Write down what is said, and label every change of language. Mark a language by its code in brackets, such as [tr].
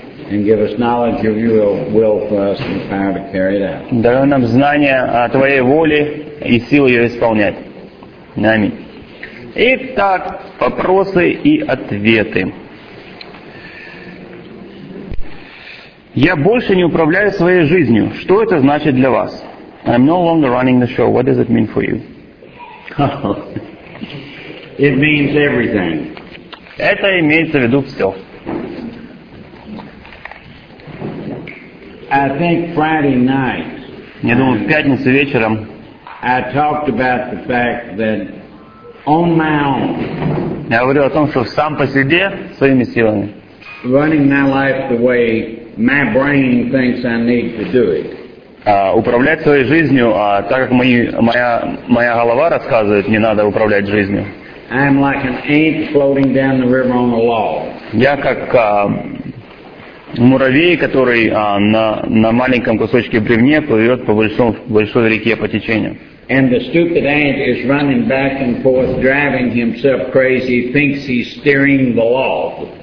[en] And give us knowledge of your will for us and power to carry it out. [ru] Дай нам знание о твоей воле и силу ее исполнять. Аминь. Итак, вопросы и ответы. Я больше не управляю своей жизнью. Что это значит для вас? [en] I'm no longer running the show. What does it mean for you? It means everything. [ru] Это имеется в виду все. [en] I think Friday night. [ru] Я думаю, в пятницу вечером. [en] I talked about the fact that on my own. [ru] Я говорил о том, что сам по себе, своими силами. [en] Running my life the way my brain thinks I need to do it. [ru] Управлять своей жизнью, так как моя голова рассказывает, мне надо управлять жизнью. [en] I'm like an ant floating down the river on a log. [ru] Я как муравей, который на маленьком кусочке бревне плывет по большой реке по течению. [en] And the stupid ant is running back and forth, driving himself crazy, thinks he's steering the log.